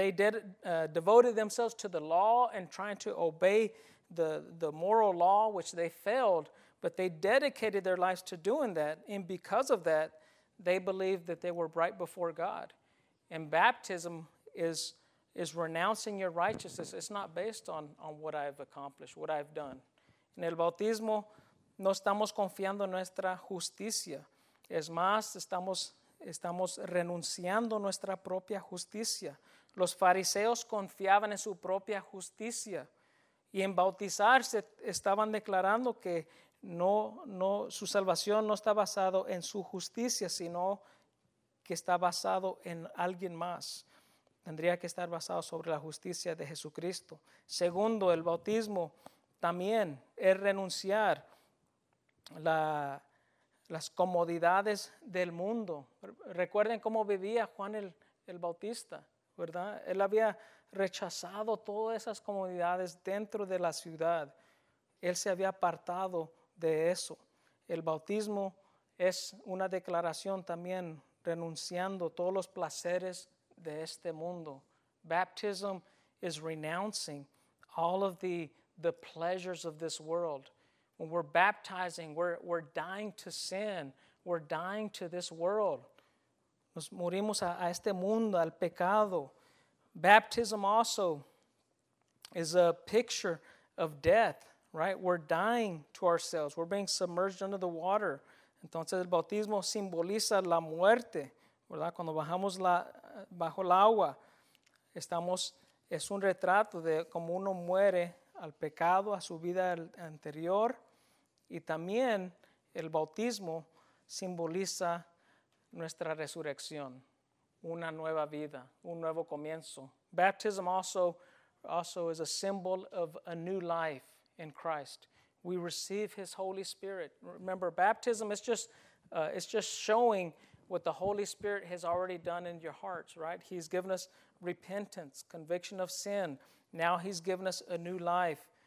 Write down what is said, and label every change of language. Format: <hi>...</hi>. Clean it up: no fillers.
<en>They devoted themselves to the law and trying to obey the moral law, which they failed, but they dedicated their lives to doing that. And because of that, they believed that they were right before God. And baptism is renouncing your righteousness. It's not based on what I've accomplished, what I've done.</en> <es>En el bautismo, no estamos confiando en nuestra justicia. Es más, estamos renunciando nuestra propia justicia. Los fariseos confiaban en su propia justicia y en bautizarse estaban declarando que no su salvación no está basado en su justicia, sino que está basado en alguien más. Tendría que estar basado sobre la justicia de Jesucristo. Segundo, el bautismo también es renunciar las comodidades del mundo. Recuerden cómo vivía Juan el Bautista, ¿verdad? Él había rechazado todas esas comodidades dentro de la ciudad. Él se había apartado de eso. El bautismo es una declaración también renunciando todos los placeres de este mundo.</es> <en>Baptism is renouncing all of the pleasures of this world. When we're baptizing, we're dying to sin. We're dying to this world.</en> <es>Nos morimos a este mundo, al pecado.</es> <en>Baptism also is a picture of death, right? We're dying to ourselves. We're being submerged under the water.</en> <es>Entonces, el bautismo simboliza la muerte, ¿verdad? Cuando bajamos bajo el agua, es un retrato de cómo uno muere al pecado, a su vida anterior. Y también el bautismo simboliza nuestra resurrección, una nueva vida, un nuevo comienzo.</es> <en>Baptism also is a symbol of a new life in Christ. We receive His Holy Spirit. Remember, baptism is just showing what the Holy Spirit has already done in your hearts, right? He's given us repentance, conviction of sin. Now He's given us a new life.</en>